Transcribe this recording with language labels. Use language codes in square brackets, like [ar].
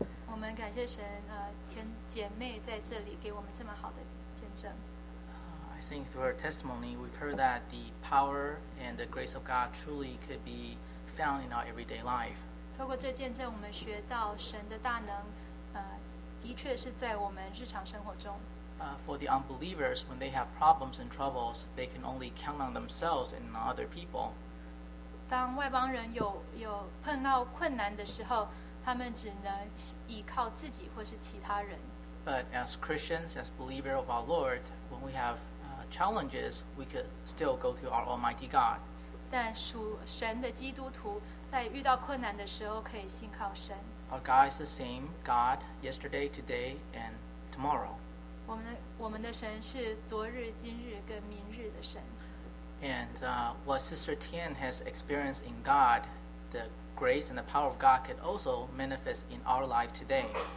[zh] 我们感谢神，天姐妹在这里给我们这么好的见证。 [en] I think through her testimony, we've heard that the power and the grace of God truly could be found in our everyday life. [zh] 透过这见证，我们学到神的大能，的确是在我们日常生活中。 [en] For the unbelievers, when they have problems and troubles, they can only count on themselves and not other people. [zh] 当外邦人有碰到困难的时候，他他们只能依靠自己或是其他人。 [en] But as Christians, as believers of our Lord, when we have challenges, we could still go to our Almighty God. [zh] 但属神的基督徒在遇到困难的时候可以信靠神。 [en] Our God is the same God yesterday, today, and tomorrow. [zh] 我们的神是昨日、今日跟明日的神。 [en] And what Sister Tian has experienced in God, the grace and the power of God could also manifest in our life today.